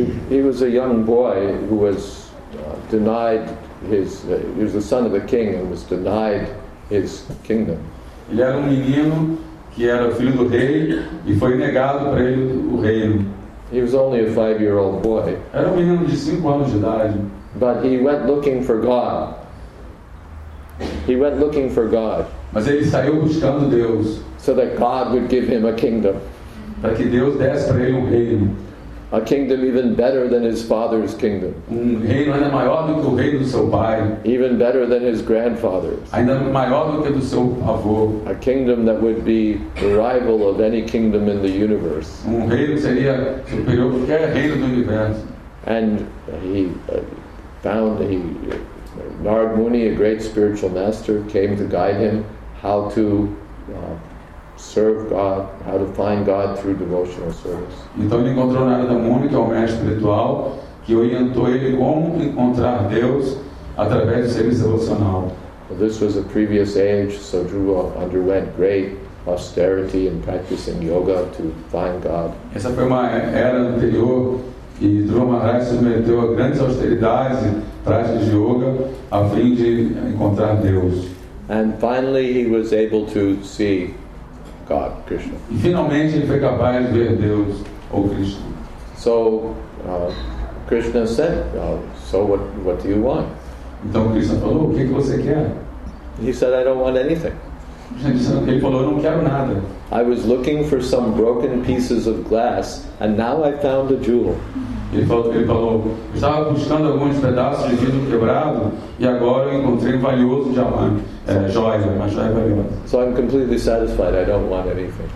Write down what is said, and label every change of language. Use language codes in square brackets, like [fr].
[en] He was a young boy who was denied his. He was the son of a king and was denied his kingdom. [pt] Ele era menino que era filho do rei e foi negado para ele o reino. [en] He was only a 5-year-old boy. [pt] Era menino de 5 anos de idade. [en] But he went looking for God. He went looking for God. [pt] Mas ele saiu buscando Deus. [en] So that God would give him a kingdom. [pt] Para que Deus desse para ele reino. [en] A kingdom even better than his father's kingdom. [pt] Reino ainda maior do que o reino do seu pai. [en] Even better than his grandfather's. [pt] Ainda maior do que do seu avô. [en] A kingdom that would be the rival of any kingdom in the universe. [pt] Reino seria superior a qualquer reino do universo. [en] And Narad Muni, a great spiritual master, came to guide him how to serve God, how to find God through devotional service. [pt] Então ele encontrou Narada Muni, que é o mestre espiritual, que orientou ele como encontrar Deus através do serviço devocional. [en] This was a previous age, so Dhruva underwent great austerity in practicing yoga to find God. [pt] Essa foi uma era anterior e Dhruva Maharaj submeteu a grandes austeridades e práticas de yoga a fim de encontrar Deus. [en] And finally he was able to see God, Krishna. [pt] E finalmente ele foi capaz de ver Deus ou Krishna. [en] So Krishna said, so what do you want? [pt] Então Krishna falou, o que que você quer? [en] He said, I don't want anything. [pt] Ele falou, eu não quero nada. [en] I was looking for some broken pieces of glass and now I found a jewel. [pt] Ele falou, estava buscando alguns pedaços de vidro quebrado e agora eu encontrei um valioso diamante, uma joia valiosa. [en] So I'm completely satisfied, I don't want anything.